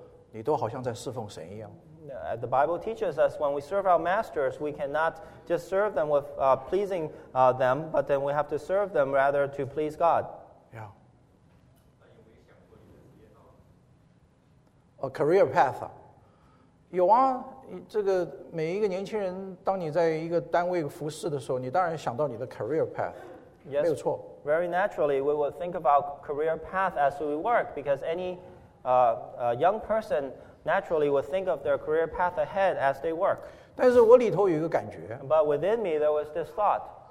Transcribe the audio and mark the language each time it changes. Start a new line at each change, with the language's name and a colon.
Chinese: 你们侍奉你们的主人，不要只在眼前侍奉，不管在眼前眼后，你都好像在侍奉神一样。
English: The Bible teaches us when we serve our masters, we cannot just serve them with pleasing them, but then we have to serve them rather to please God. Yeah. A career path.
Chinese: 有啊，这个每一个年轻人，当你在一个单位服侍的时候，你当然想到你的 career path.
English: Yes.
Chinese: 没有错.
English: Very naturally, we will think about career path as we work, because any young person naturally would think of their career path ahead as they work. But within me, there was this thought.